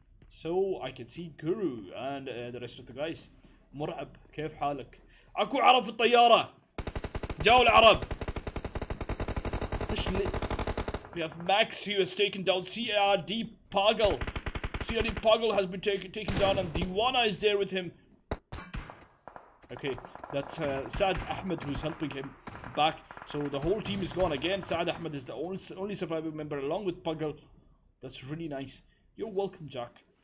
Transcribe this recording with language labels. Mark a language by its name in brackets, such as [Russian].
[English] So I can see Guru and the rest of the guys. [Arabic] Murab, كيف حالك؟ أكو عرب في الطيارة. جاو العرب. [English] We have Max, who has taken down CRD Pagel. CRD Pagel has been taken down, and Diwana is there with him. Okay, that's Saad Ahmed who's helping him back. So the whole team is gone again. Saad Ahmed is the only surviving member along with Pagel. That's really nice. You're welcome, Jack.